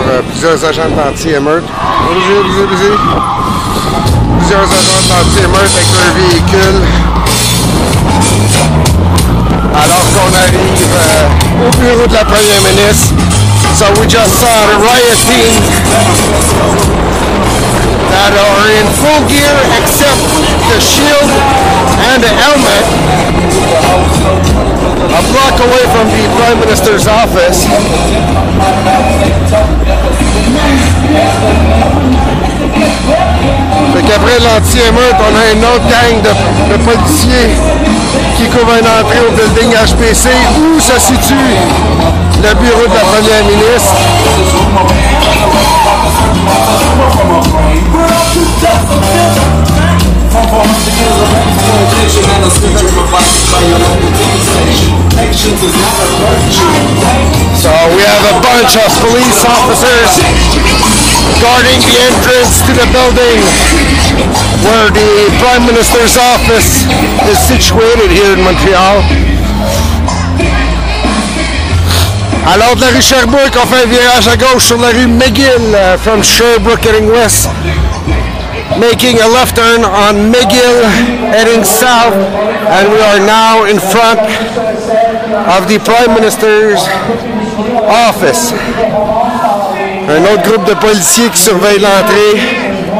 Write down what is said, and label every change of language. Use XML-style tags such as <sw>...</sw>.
<fr>Plusieurs agents d'anti-émeute. Plusieurs agents d'anti-émeute avec leur véhicule. Alors qu'on arrive au bureau de la première ministre.</fr> <en>So we just saw the riot team that are in full gear except the shield and the helmet. A block away from the Prime Minister's office.</en> <fr>Fait qu'après l'anti-émeute, on a une autre gang de policiers qui couvrent une entrée au building HPC où se situe le bureau de la Première ministre.</fr> <en>So we have a bunch of police officers guarding the entrance to the building where the Prime Minister's office is situated here in Montreal.</en> <fr>Alors de la rue Sherbrooke, on fait un virage à gauche sur la rue McGill</fr> <en>from Sherbrooke heading west. Making a left turn on McGill, heading south, and we are now in front of the Prime Minister's office.</en> <fr>Un autre groupe de policiers qui surveille l'entrée.</fr>